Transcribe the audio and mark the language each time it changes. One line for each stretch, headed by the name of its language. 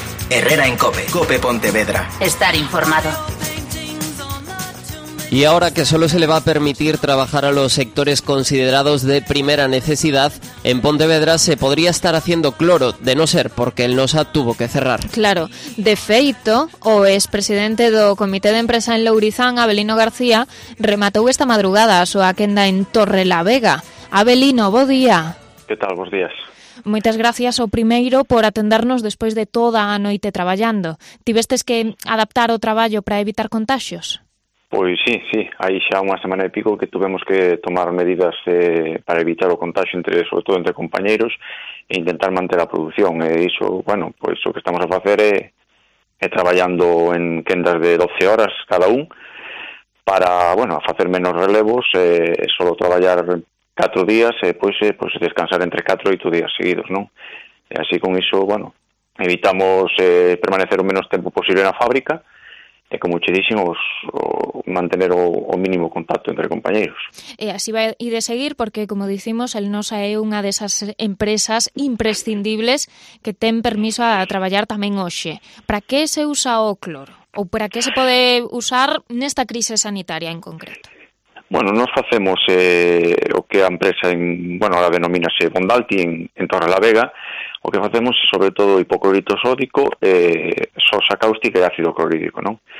Spanish: Herrera en COPE. COPE Pontevedra. Estar informado. Y ahora que solo se le va a permitir trabajar a los sectores considerados de primera necesidad, en Pontevedra se podría estar haciendo cloro, de no ser porque el NOSA tuvo que cerrar. Claro.
Galician: De feito, o expresidente do Comité de Empresa en Lourizán, Abelino García, rematou esta madrugada a súa quenda en Torrelavega. Abelino, bo día.
Spanish: ¿Qué tal?
Galician: Bos días. Moitas gracias ao primeiro por atendernos despois de toda a noite traballando. Tivestes que adaptar o traballo para evitar contagios? Pois sí, sí. Aí xa unha semana e pico que tivemos que tomar medidas para evitar o contagio, entre, sobre todo entre compañeros, e intentar manter a producción. E iso, bueno, pois o que estamos a facer é traballando en quendas de 12 horas cada un para, bueno, a facer menos relevos, solo traballar 4 días, pois descansar entre 4 e 8 días seguidos, non? E así con iso, bueno, evitamos permanecer o menos tempo posible na fábrica e, como che dixen, mantener o mínimo contacto entre compañeiros. E así vai ir de seguir, porque, como dicimos, el NOSA é unha desas empresas imprescindibles que ten permiso a traballar tamén hoxe. Para que se usa o cloro? Ou para que se pode usar nesta crise sanitaria en concreto? Bueno, nos facemos o que a empresa, ahora denomínase Bondalti, en Torrelavega, o que facemos é, sobre todo, hipoclorito sódico, sosa cáustica e ácido clorhídrico, non?